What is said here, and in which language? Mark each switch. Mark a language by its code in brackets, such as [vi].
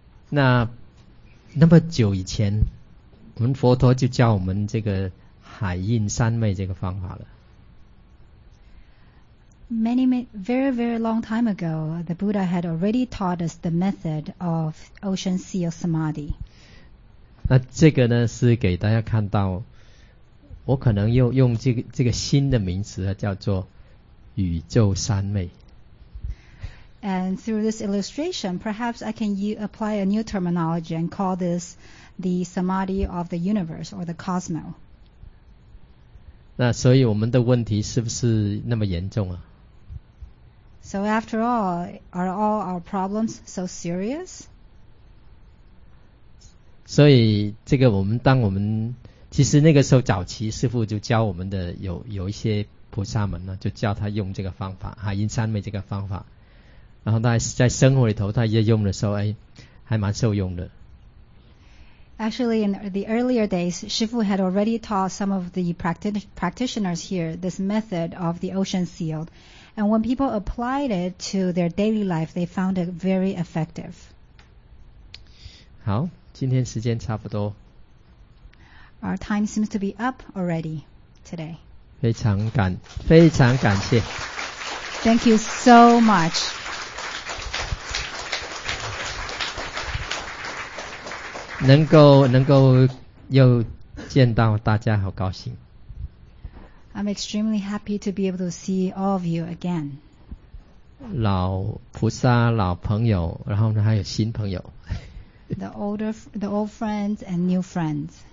[zh] 那么久以前，我们佛陀就教我们这个海印三昧这个方法了。 [en] Very long time ago, the Buddha had already taught us the method of ocean seal samadhi. [zh] 那这个呢是给大家看到，我可能又用这个新的名词叫做宇宙三昧。 [en] And through this illustration, perhaps I can apply a new terminology and call this the samadhi of the universe or the cosmos. [zh] 那所以我们的问题是不是那么严重啊？ [en] So after all, are all our problems so serious? [zh] 所以这个我们当我们其实那个时候早期师父就教我们的有一些菩萨们呢，就教他用这个方法海印三昧这个方法，然后他在生活里头他也用的时候，哎，还蛮受用的。 [en] Actually, in the earlier days, Shifu had already taught some of the practitioners here this method of the ocean seal. And when people applied it to their daily life, they found it very effective. [zh] 好，今天时间差不多。 [en] Our time seems to be up already today. [zh] 非常感谢。 [en] Thank you so much. [zh] 能够又见到大家，好高兴。 [en] I'm extremely happy to be able to see all of you again. [zh] 老菩萨、老朋友，然后呢还有新朋友。 [en] The old friends and new friends.